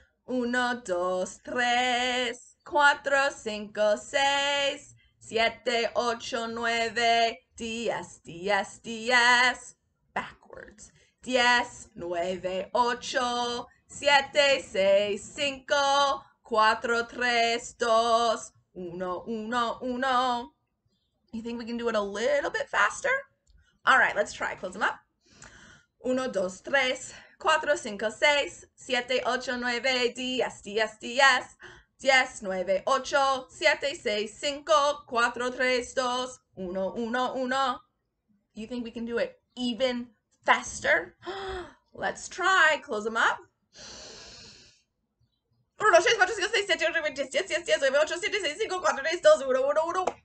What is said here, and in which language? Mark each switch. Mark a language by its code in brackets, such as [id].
[es] Uno, dos, tres, cuatro, cinco, seis, siete, ocho, nueve, diez, diez, diez. [en] Backwards. [es] Diez, nueve, ocho, siete, seis, cinco, cuatro, tres, dos, uno, uno, uno. [en] You think we can do it a little bit faster? All right, let's try. Close them up. [es] Uno, dos, tres, cuatro, cinco, seis, siete, ocho, nueve, diez, diez, diez, diez, nueve, ocho, siete, seis, cinco, cuatro, tres, dos, uno, uno, uno. [en] You think we can do it even faster? Let's try. Close them up. [es] Uno, dos, tres, cuatro, cinco, seis, siete, ocho, nueve, diez, diez, diez, diez, nueve, ocho, siete, seis, cinco, cuatro, tres, dos, uno, uno, uno.